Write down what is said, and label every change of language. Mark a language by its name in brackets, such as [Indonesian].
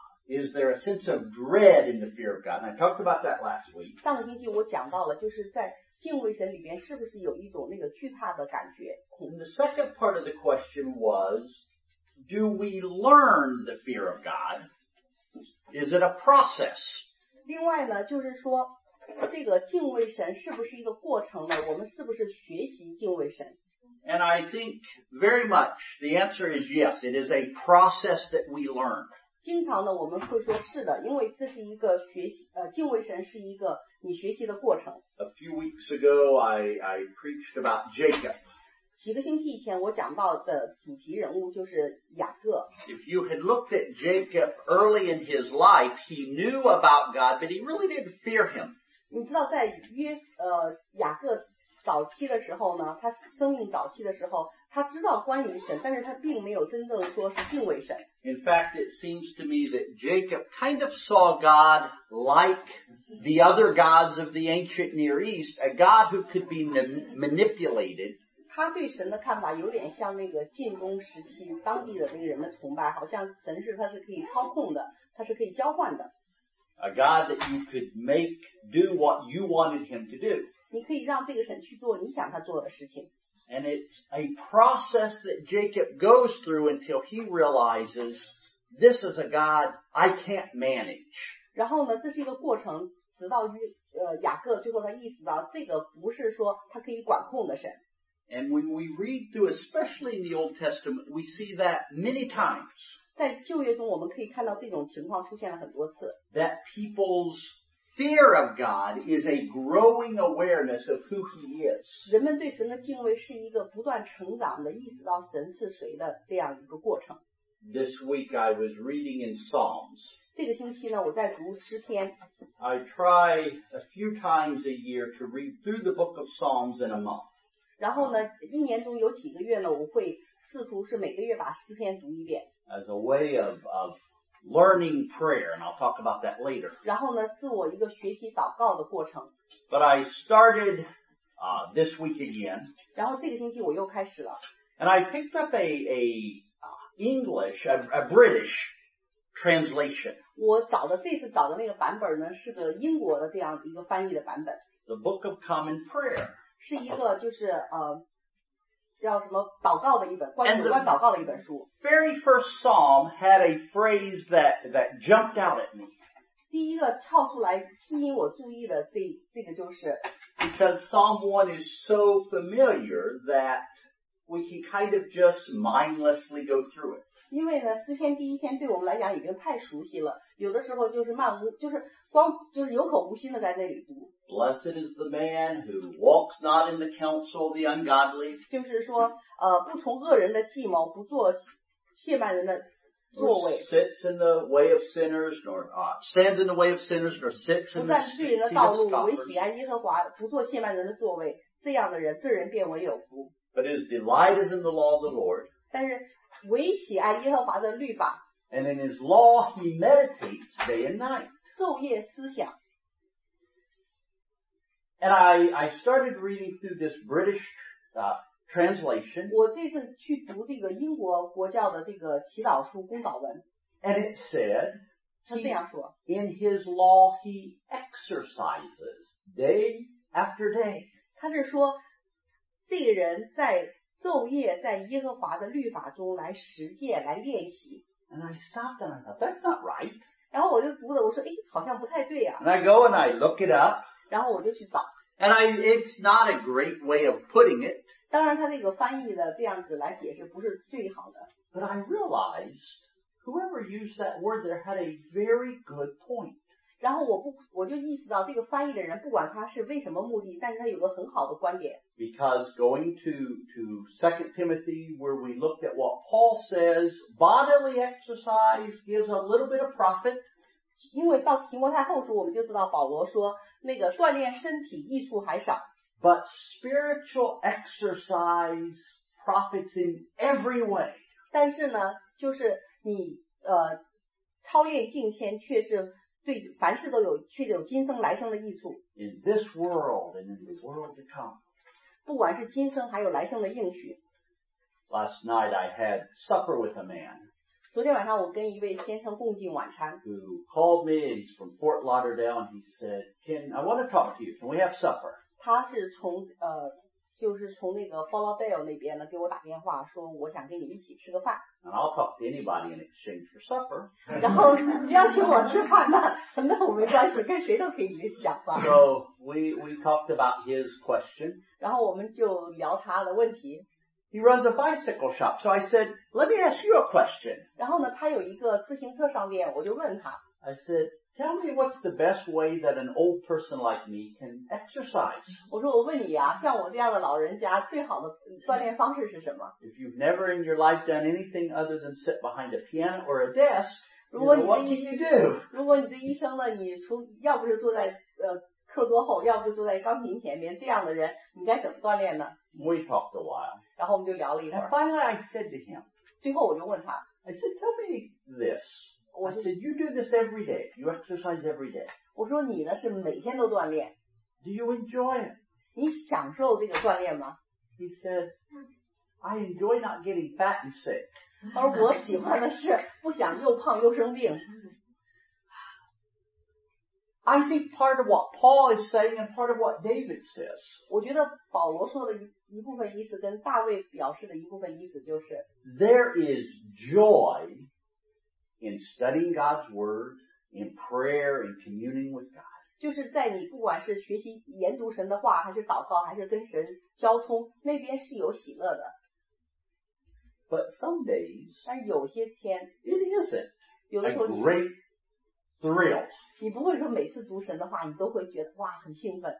[English] Is there a sense of dread in the fear of God? And I talked about that last week. [Chinese] 上个星期我讲到了，就是在敬畏神里边是不是有一种那个惧怕的感觉。 [English] And the second part of the question was, do we learn the fear of God? Is it a process? [Chinese] 另外呢，就是说这个敬畏神是不是一个过程呢？我们是不是学习敬畏神？ [English] And I think very much the answer is yes, it is a process that we learn. [Chinese] 经常呢我们会说是的，因为这是一个学习敬畏神是一个你学习的过程。 [English] A few weeks ago I preached about Jacob. [Chinese] 几个星期以前我讲到的主题人物就是雅各。 [English] If you had looked at Jacob early in his life, he knew about God, but he really didn't fear him. [Chinese] 你知道在雅各早期的时候呢，他生命早期的时候，他知道关于神，但是他并没有真正说是敬畏神。 [English] In fact, it seems to me that Jacob kind of saw God like the other gods of the ancient Near East, a god who could be manipulated. [Chinese] 他对神的看法有点像那个近东时期当地的那个人的崇拜，好像神是他是可以操控的，他是可以交换的。 [English] A God that you could make do what you wanted him to do. [Chinese] 你可以让这个神去做你想他做的事情。 [English] And it's a process that Jacob goes through until he realizes this is a God I can't manage. [Chinese] 然后呢这是一个过程，直到雅各最后他意识到这个不是说他可以管控的神。 [English] And when we read through, especially in the Old Testament, we see that many times. [Chinese] 在旧约中我们可以看到这种情况出现了很多次。 [English] That people's fear of God is a growing awareness of who he is. [Chinese] 人们对神的敬畏是一个不断成长的意识到神是谁的这样一个过程。 [English] This week I was reading in Psalms. [Chinese] 这个星期呢我在读诗篇。 [English] I try a few times a year to read through the book of Psalms in a month. [Chinese] 然后呢一年中有几个月呢我会试图是每个月把诗篇读一遍。 [English] As a way of learning prayer, and I'll talk about that later. [Chinese] 然后呢是我一个学习祷告的过程。 [English] But I started, this week again. [Chinese] 然后这个星期我又开始了。 [English] And I picked up a British translation. [Chinese] 我找的这次找的那个版本呢是个英国的这样一个翻译的版本。 [English] The Book of Common Prayer. [Chinese] 是一个就是叫什么祷告的一本关于祷告的一本书。 [English] Very first Psalm had a phrase that jumped out at me. [Chinese] 第一个跳出来吸引我注意的这个就是 [English] Because Psalm 1 is so familiar that we can kind of just mindlessly go through it. [Chinese] 因为呢诗篇第一篇对我们来讲已经太熟悉了，有的时候就是漫无就是光就是有口无心的在那里读。 [English] Blessed is the man who walks not in the counsel of the ungodly. [Chinese] 就是说不从恶人的计谋，不做亵慢人的座位。 [English] Nor sits in the way of sinners, nor stands in the way of sinners, nor sits in the seat of scoffers. [Chinese] 不占罪人的道路，唯喜爱耶和华，不做亵慢人的座位。这样的人，这人变为有福。 [English] But his delight is in the law of the Lord. [Chinese] 但是唯喜爱耶和华的律法。 [English] And in his law he meditates day and night. [Chinese] 昼夜思想。 [English] And I started reading through this British translation. [Chinese] 我这次去读这个英国国教的这个祈祷书公祷文。 [English] And it said, [Chinese] 他这样说, [English] in his law he exercises day after day. [Chinese] 他是说这个人在昼夜在耶和华的律法中来实践来练习。 [English] And I stopped and I thought, that's not right. [Chinese] 然后我就读了，我说，哎，好像不太对啊。 [English] And I go and I look it up. [Chinese] 然后我就去找。 [English] And it's not a great way of putting it. [Chinese] 当然，他这个翻译的这样子来解释不是最好的。 [English] But I realized whoever used that word there had a very good point. [Chinese] 然后我就意识到这个翻译的人不管他是为什么目的但是他有个很好的观点。 [English] Because going to 2 Timothy where we looked at what Paul says, bodily exercise gives a little bit of profit. [Chinese] 因为到提摩太后书我们就知道保罗说那个锻炼身体益处还少。 [English] But spiritual exercise profits in every way. [Chinese] 但是呢就是你操练敬虔却是对凡事都有却有今生来生的益处。 [English] In this world and in the world to come. [Chinese] 不管是今生还有来生的应许。 [English] Last night I had supper with a man. [Chinese] 昨天晚上我跟一位先生共进晚餐。 [English] Who called me, he's from Fort Lauderdale, and he said, Ken, I want to talk to you, can we have supper? [Chinese] 他是从就是从那个 Fort Lauderdale 那边呢给我打电话说我想跟你一起吃个饭。 [English] And I'll talk to anybody in exchange for supper. [Chinese] 然后你要请我吃饭那我没关系跟谁都可以讲吧。 [English] So we talked about his question. [Chinese] 然后我们就聊他的问题。 [English] He runs a bicycle shop. So I said, let me ask you a question. [Chinese] 然后呢他有一个自行车商店我就问他。 [English] I said,Tell me what's the best way that an old person like me can exercise. [Chinese] 我说我问你啊像我这样的老人家最好的锻炼方式是什么 [English] If you've never in your life done anything other than sit behind a piano or a desk, you know, what can you do? [Chinese] 如果你这一生呢你从要不是坐在课桌后要不是坐在钢琴前面这样的人你该怎么锻炼呢 [English] We talked a while. [Chinese] 然后我们就聊了一会儿 [English] And finally I said to him, [Chinese] 最后我就问他 [English] I said, tell me this. I said, you do this every day. You exercise every day. [Chinese] 我说你呢是每天都锻炼。 [English] Do you enjoy it? [Chinese] 你享受这个锻炼吗 [English] ?He said, I enjoy not getting fat and sick. [Chinese] 他说我喜欢的是不想又胖又生病。 [English] I think part of what Paul is saying and part of what David says. [Chinese] 我觉得保罗说的一部分意思跟大卫表示的一部分意思就是 [English] There is joy. In studying God's word, in prayer, in communing with God. [Chinese] 就是在你不管是学习研读神的话还是祷告还是跟神交通那边是有喜乐的。 [English] But some days, [Chinese] 但有些天 [English] it isn't [Chinese] 有的时候 [English] a great thrill. [Chinese] 你不会说每次读神的话你都会觉得哇很兴奋。